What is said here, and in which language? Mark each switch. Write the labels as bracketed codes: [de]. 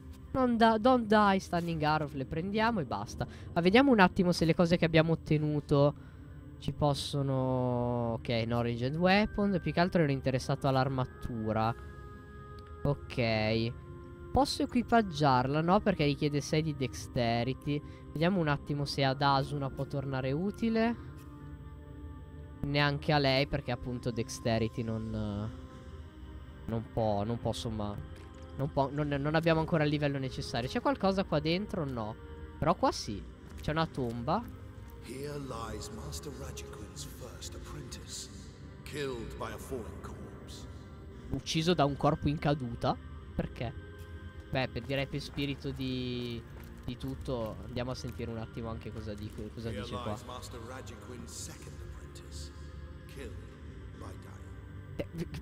[en] Don't die, Stunning Arrow. [it] Le prendiamo e basta. Ma vediamo un attimo se le cose che abbiamo ottenuto ci possono... Ok, no, Ranged Weapon. Più che altro ero interessato all'armatura. Ok. Posso equipaggiarla? No, perché richiede 6 di Dexterity. Vediamo un attimo se ad Asuna può tornare utile. Neanche a lei, perché appunto Dexterity non... Non può, insomma... Non abbiamo ancora il livello necessario. C'è qualcosa qua dentro? No. Però qua sì. C'è una tomba. [en] Here lies Master Rajiquin's first apprentice, killed by a fallen corpse. [it] Ucciso da un corpo in caduta? Perché? Beh, per dire per spirito di tutto, andiamo a sentire un attimo anche cosa dice qua. [en] Here lies Master Rajiquin's second apprentice, killed by Dio.